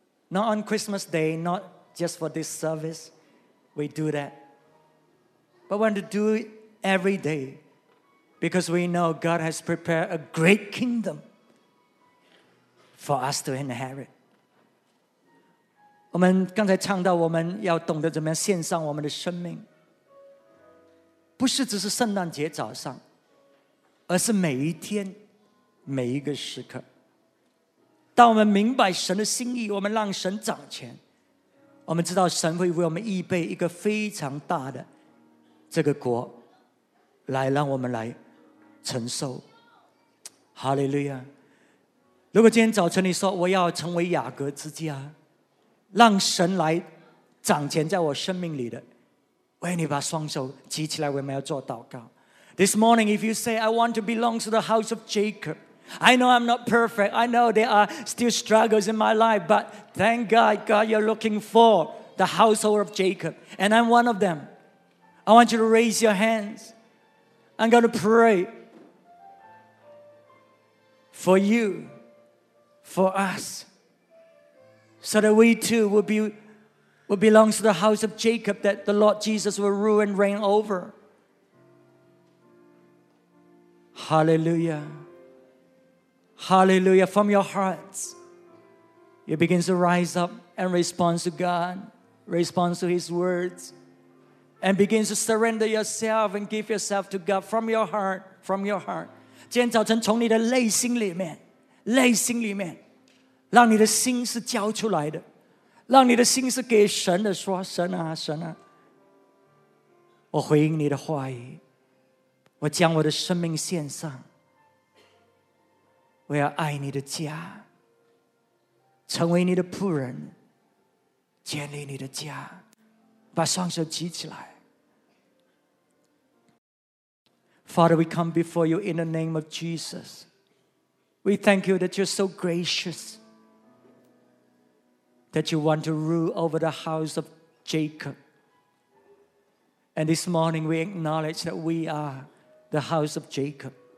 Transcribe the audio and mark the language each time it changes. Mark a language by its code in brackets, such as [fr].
[en] Not on Christmas Day, not just for this service, we do that. But we want to do it every day because we know God has prepared a great kingdom for us to inherit. [zh] 我们刚才唱到我们要懂得怎么样献上我们的生命，不是只是圣诞节早上，而是每一天每一个时刻。当我们明白神的心意，我们让神掌权，我们知道神会为我们预备一个非常大的这个国来让我们来承受。哈利路亚。如果今天早晨你说我要成为雅各之家，让神来掌权在我生命里的，为你把双手举起来，我们要做祷告。 [en] This morning if you say I want to belong to the house of Jacob, I know I'm not perfect, I know there are still struggles in my life, but thank God, God, you're looking for the household of Jacob, and I'm one of themI want you to raise your hands. I'm going to pray for you, for us, so that we too will belong to the house of Jacob, that the Lord Jesus will rule and reign over. Hallelujah. Hallelujah. From your hearts, you begin to rise up and respond to God, respond to His words. And begin to surrender yourself and give yourself to God from your heart, from your heart. [zh] 今天早晨从你的内心里面，内心里面，让你的心是交出来的，让你的心是给神的，说神啊，神啊，我回应你的话语，我将我的生命献上，我要爱你的家，成为你的仆人，建立你的家。把双手举起来。 [en] Father, we come before you in the name of Jesus. We thank you that you're so gracious, that you want to rule over the house of Jacob. And this morning we acknowledge that we are the house of Jacob.